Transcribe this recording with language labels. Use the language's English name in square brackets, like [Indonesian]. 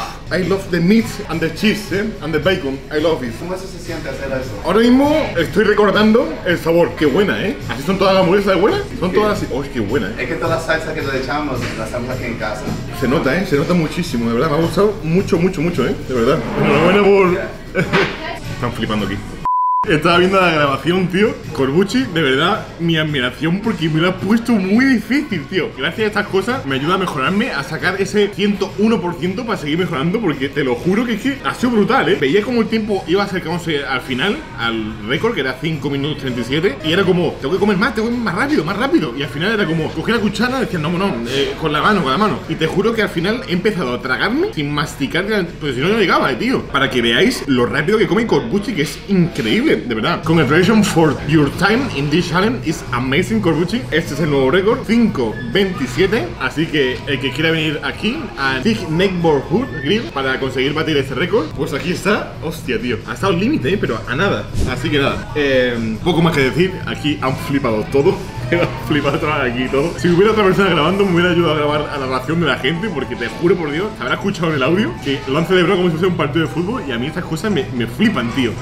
[English] I love the meat and the cheese, eh? And the bacon. I love it. [Spanish] ¿Cómo se siente hacer eso? Ahora mismo estoy recordando el sabor. Qué buena, ¿eh? ¿Así son todas las hamburguesas de buena? Son todas así. Oh, qué buena, ¿eh? Es que todas las salsas que le echamos las hacemos aquí en casa. Se nota, ¿eh? Se nota muchísimo, de verdad. Me ha gustado mucho, mucho, mucho, ¿eh? De verdad. Enhorabuena por... Están flipando aquí. Estaba viendo la grabación, tío. Corbucci, de verdad, mi admiración, porque me lo has puesto muy difícil, tío. Gracias a estas cosas me ayuda a mejorarme, a sacar ese 101% para seguir mejorando, porque te lo juro que es que ha sido brutal, ¿eh? Veía como el tiempo iba acercándose al final, al récord, que era 5 minutos 37, y era como, tengo que comer más, tengo que comer más rápido, más rápido. Y al final era como, cogí la cuchara y decía, con la mano, con la mano. Y te juro que al final he empezado a tragarme sin masticar, pues si no, yo llegaba, tío. Para que veáis lo rápido que come Corbucci, que es increíble. de verdad. [English] Congratulations for your time in this challenge. It's amazing, [Spanish] Corbucci. Este es el nuevo récord, 5:27. Así que el que quiera venir aquí a Thick Neighborhood Grill para conseguir batir este récord, pues aquí está. Hostia, tío. Ha estado al límite, pero a nada. Así que nada. Poco más que decir. Aquí han flipado todo. Si hubiera otra persona grabando, me hubiera ayudado a grabar a la reacción de la gente, porque te juro por Dios, habrá escuchado en el audio que lo han celebrado como si fuese un partido de fútbol, y a mí estas cosas me flipan, tío.